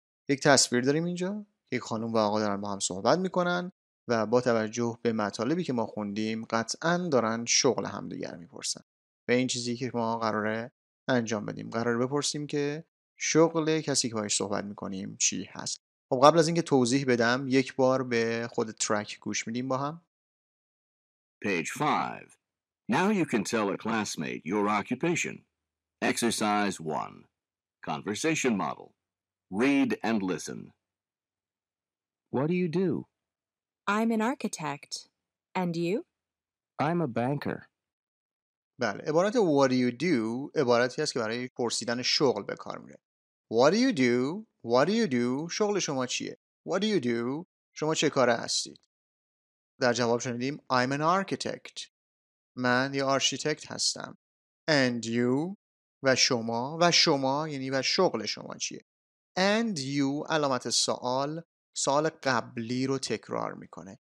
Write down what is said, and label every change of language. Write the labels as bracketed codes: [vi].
[fa] یک تصویر داریم اینجا، یک خانم و آقا دارن با هم صحبت می‌کنن و با توجه به مطالبی که ما خوندیم قطعاً دارن شغل همدیگر می‌پرسن. و این چیزی که ما قراره انجام بدیم، قراره بپرسیم که شغل کسی که باهاش صحبت می‌کنیم چی هست. خب قبل از اینکه توضیح بدم یک بار به خود ترک گوش میدیم با هم. [en] Page 5. Now you can tell a classmate your occupation. Exercise 1. Conversation model. Read and listen. What do you do? I'm an architect. And you? I'm a banker. [fa] بله، عبارت [en] what do you do [fa] عبارتی است که برای پرسیدن شغل به کار میره. [en] What do you do? What do you do? [fa] شغل شما چیه؟ [en] What do you do? [fa] شما چه کاره هستید؟ در جواب شنیدیم [en] I'm an architect. [fa] من یه آرشیتکت هستم. [en] And you? [fa] و شما؟ و شما یعنی و شغل شما چیه؟ [en] And you [fa] علامت سوال سوال قبلی رو تکرار میکنه.